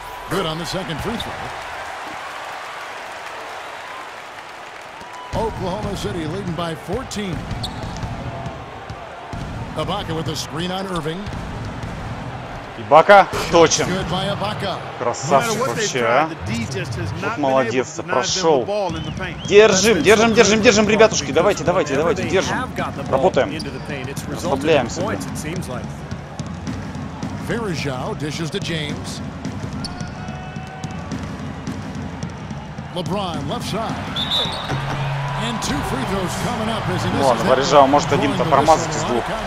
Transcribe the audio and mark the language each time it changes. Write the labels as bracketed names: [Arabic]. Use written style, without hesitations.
[English] Good on the second free throw. Oklahoma City leading by 14. Ibaka with a screen on Irving. [Russian] Ibaka, точен. Красавчик вообще, а. Вот молодец, прошел. Держим, держим, держим, держим, ребятушки. Давайте, давайте, давайте, держим. Работаем. Расслабляемся. [English] Varejao dishes to James. LeBron, left side. And two free throws coming up as he misses. [Russian] Ладно, Varejao может один-то промазать из двух.